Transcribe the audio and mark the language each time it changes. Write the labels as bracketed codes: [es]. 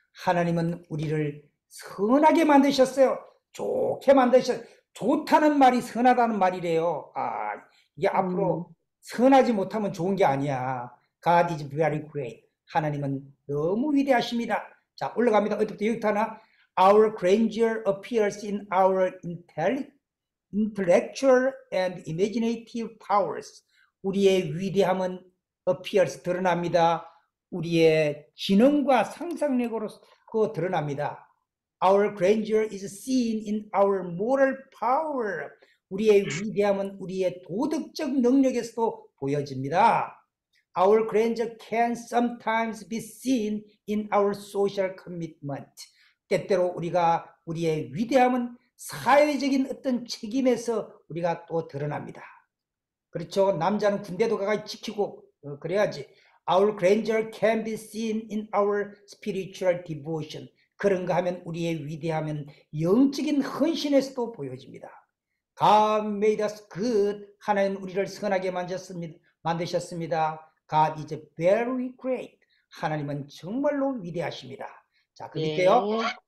[ko] 하나님은 우리를 선하게 만드셨어요. 좋게 만드셨어요. 좋다는 말이 선하다는 말이래요. 아, 이게 앞으로 선하지 못하면 좋은 게 아니야. [en] God is very great. [ko] 하나님은 너무 위대하십니다. 자, 올라갑니다. 어디부터 여기 하나? [en] Our grandeur appears in our intellectual and imaginative powers. [ko] 우리의 위대함은 appears 드러납니다. 우리의 지능과 상상력으로 그거 드러납니다. [en] Our grandeur is seen in our moral power. [ko] 우리의 위대함은 우리의 도덕적 능력에서도 보여집니다. [en] Our grandeur can sometimes be seen in our social commitment. [ko] 때때로 우리가 우리의 위대함은 사회적인 어떤 책임에서 우리가 또 드러납니다. 그렇죠. 남자는 군대도 가서 지키고 그래야지. [en] Our grandeur can be seen in our spiritual devotion. [ko] 그런가 하면 우리의 위대함은 영적인 헌신에서도 보여집니다. [en] God made us good. [ko] 하나님 우리를 선하게 만드셨습니다. [en] God is very great. [ko] 하나님은 정말로 위대하십니다. 자, 그 밑에요.